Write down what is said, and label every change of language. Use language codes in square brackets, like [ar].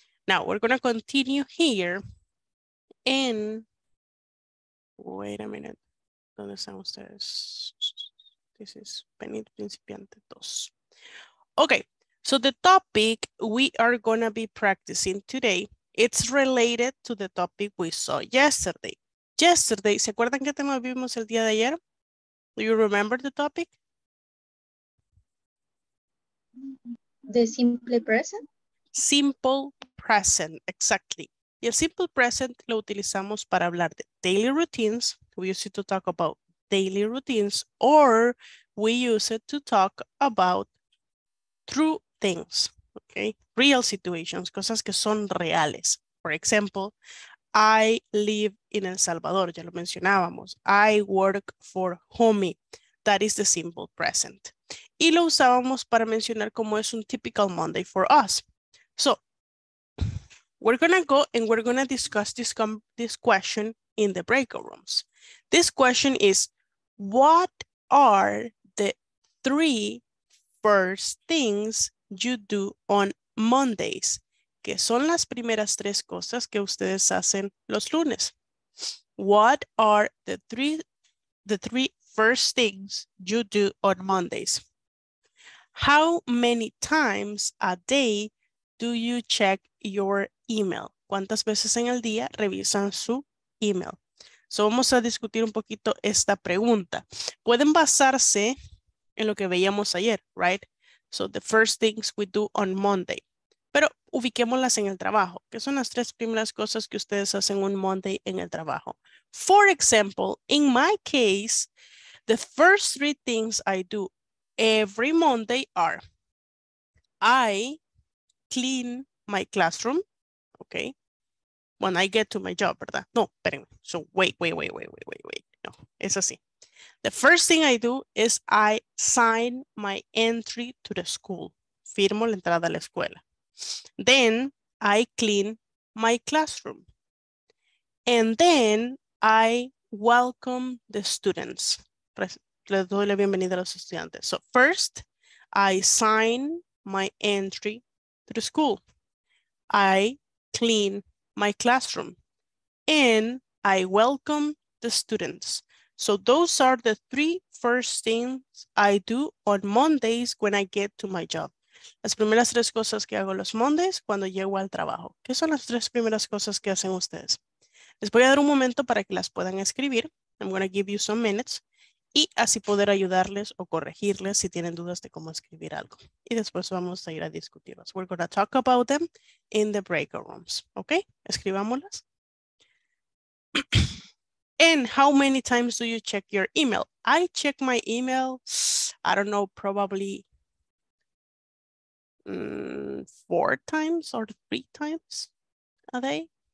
[en] Now, we're going to continue here in... Wait a minute. [es] ¿Dónde están ustedes? [en] This is Benito Principiante 2. Okay, so the topic we are going to be practicing today, it's related to the topic we saw yesterday. [es] Yesterday, ¿se acuerdan qué tema vimos el día de ayer? [en] Do you remember the topic? The simple present. Simple present, exactly. [es] Y el simple present lo utilizamos para hablar de daily routines. [en] We use it to talk about daily routines, or we use it to talk about true things, okay? Real situations, [es] cosas que son reales. [en] For example, I live in El Salvador, [es] ya lo mencionábamos. [en] I work for Homey. That is the simple present. [es] Y lo usábamos para mencionar cómo es un [en] typical Monday for us. So, we're gonna go and we're gonna discuss this question in the breakout rooms. This question is, what are the three first things you do on Mondays? [es] ¿Qué son las primeras tres cosas que ustedes hacen los lunes? [en] What are the three first things you do on Mondays? How many times a day do you check your email? [es] ¿Cuántas veces en el día revisan su email? So vamos a discutir un poquito esta pregunta. Pueden basarse en lo que veíamos ayer, right? [en] So the first things we do on Monday. [es] Pero ubiquémoslas en el trabajo. ¿Qué son las tres primeras cosas que ustedes hacen un Monday en el trabajo? [en] For example, in my case, the first three things I do every Monday are, I clean my classroom, okay? When I get to my job, [es] ¿verdad? No, espérenme. [en] So wait. [es] No, es así. [en] The first thing I do is I sign my entry to the school. [es] Firmo la entrada a la escuela. [en] Then I clean my classroom. And then I welcome the students. [es] Les doy la bienvenida a los estudiantes. [en] So first, I sign my entry to the school. I clean my classroom. And I welcome the students. So those are the three first things I do on Mondays when I get to my job. [es] Las primeras tres cosas que hago los Mondays cuando llego al trabajo. ¿Qué son las tres primeras cosas que hacen ustedes? Les voy a dar un momento para que las puedan escribir. [en] I'm going to give you some minutes. [es] Y así poder ayudarles o corregirles si tienen dudas de cómo escribir algo. Y después vamos a ir a discutirlas. [en] We're going to talk about them in the breakout rooms. [es] ¿Ok? Escribámoslas. [en] And how many times do you check your email? I check my email, I don't know, probably four times or three times a day.